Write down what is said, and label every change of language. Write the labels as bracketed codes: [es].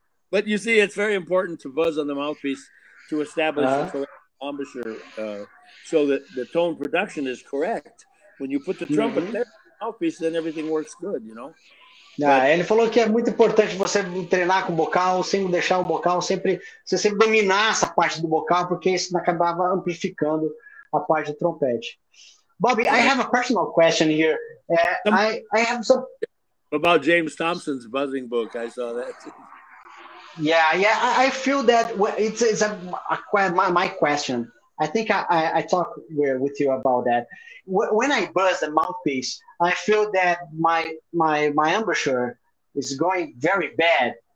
[en] But you see, it's very important to buzz on the mouthpiece to establish the correct embouchure so that the tone production is correct. When you put the trumpet there on the mouthpiece, then everything works good, you know? [pt] Ele falou que é muito importante você treinar com o bocal, sem deixar o bocal, sempre você sempre dominar essa parte do bocal, porque isso acabava amplificando a parte do trompete. [en] Bobby, I have a personal question here. I have some... About James Thompson's buzzing book, I saw that. Yeah. I feel that it's my question. I think I talked with you about that. When I buzz the mouthpiece, I feel that my embouchure is going very bad.